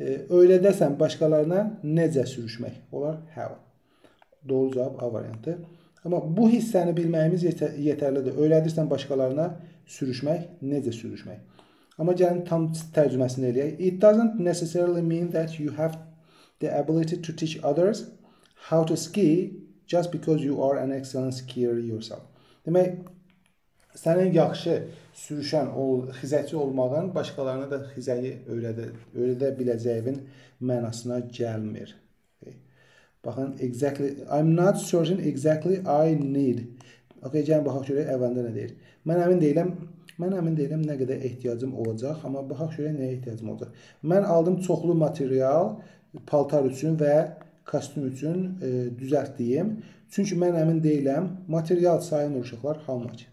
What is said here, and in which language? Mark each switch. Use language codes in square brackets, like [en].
[az] Öyrədəsən başqalarına necə sürüşmək? Onlar have. Doğru cavab A variantı. Amma bu hissəni bilməyimiz yetərlidir. Öyrədirsən başqalarına sürüşmək, necə sürüşmək? Amma gəlin tam tərcüməsini eləyək. [en] It doesn't necessarily mean that you have the ability to teach others how to ski just because you are an excellent skier yourself. [az] Demək, sənin yaxşı sürüşən, xizəkçi olmağın başqalarına da xizəyi öyrədə biləcəyin mənasına gəlmir. Okay. [en] Baxın, exactly, I'm not certain exactly I need. [az] Okay, gəlin baxaq görək, əvvəldə nə deyir. Mən əmin deyiləm nə qədər ehtiyacım olacaq, amma baxaq görək nəyə ehtiyacım olacaq. Mən aldım çoxlu material paltar üçün və kostüm üçün düzəltdiyim. Çünki mən əmin deyiləm, material sayın uşaqlar, [en] how much?